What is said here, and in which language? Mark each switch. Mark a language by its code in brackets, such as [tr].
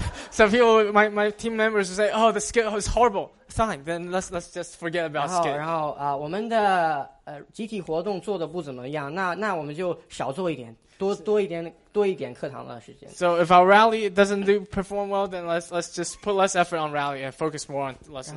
[en] Some people, my team members say, oh, the skit was horrible. Fine, then let's just forget about skit. [zh] 然后我们的集体活动做得不怎么样，那我们就少做一点，多一点课堂的时间。 [en] So if our rally doesn't perform well, then let's just put less effort on rally and focus more on lesson teaching.